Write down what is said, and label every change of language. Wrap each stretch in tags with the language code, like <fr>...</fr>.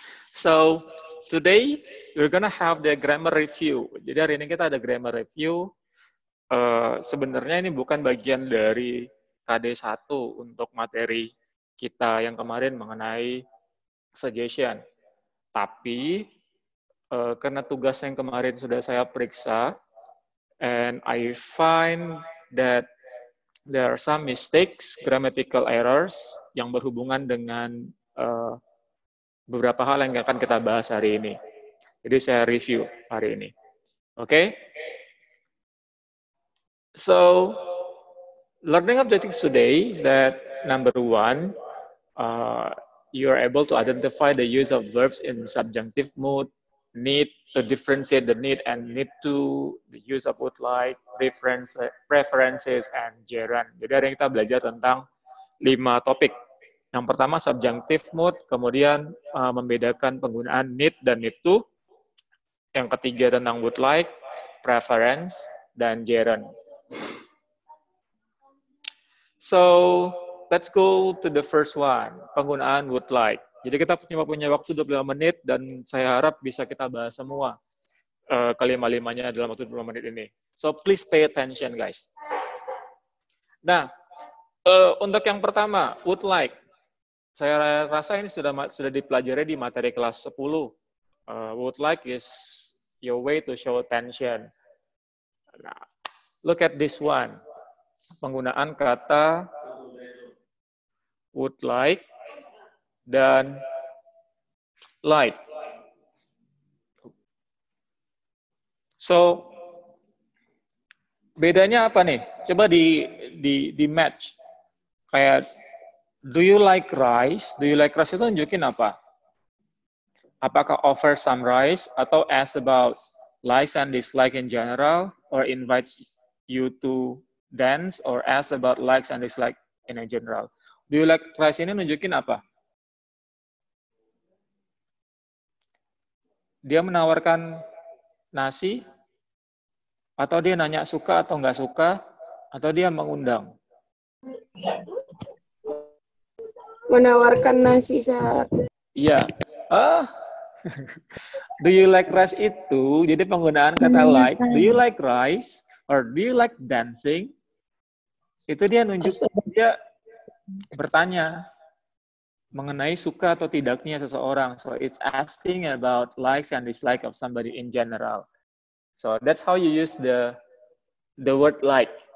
<en>So today we're gonna have the grammar review.</en> <id>Jadi hari ini kita ada grammar review. Sebenarnya ini bukan bagian dari KD1 untuk materi kita yang kemarin mengenai suggestion. Tapi karena tugas yang kemarin sudah saya periksa,</id> <en>and I find that there are some mistakes, grammatical errors,</en> <id>yang berhubungan dengan beberapa hal yang akan kita bahas hari ini. Jadi saya review hari ini. Oke? Okay?</id> <en>So, learning objectives today is that number one, you are able to identify the use of verbs in subjunctive mood, need to differentiate the need and need to, the use of would like, preferences, and gerund.</en> <id>Jadi hari ini kita belajar tentang 5 topik. Yang pertama subjunctive mood, kemudian membedakan penggunaan need dan need to. Yang ketiga tentang would like, preference, dan gerund.</id> <en>So, let's go to the first one, penggunaan would like.</en> <id>Jadi kita punya waktu 25 menit dan saya harap bisa kita bahas semua kelima-limanya dalam waktu 25 menit ini.</id> <en>So please pay attention guys.</en> <id>Nah, untuk yang pertama,</id> <en>would like.</en> <id>Saya rasa ini sudah dipelajari di materi kelas 10.</id> <en>Would like is your way to show attention. Nah, look at this one.</en> <id>Penggunaan kata</id> <en>would like dan like.</en> <id>So bedanya apa nih?</id> <en>Coba di match. Kayak do you like rice? Do you like rice</en> <id>itu nunjukin apa?</id> <en>Apakah offer some rice atau ask about likes and dislikes in general or invite you to dance or ask about likes and dislikes in general? Do you like rice</en> <id>ini nunjukin apa? Dia menawarkan nasi? Atau dia nanya suka atau nggak suka? Atau dia mengundang? Menawarkan nasi, Sar.</id> <en>Iya. Yeah. Oh. Do you like rice itu?</en> <id>Jadi penggunaan kata like.</id> <en>Do you like rice? Or do you like dancing?</en> <id>Itu dia nunjukin dia bertanya mengenai suka atau tidaknya seseorang.</id> <en>So it's asking about likes and dislikes of somebody in general. So that's how you use the word like.</en>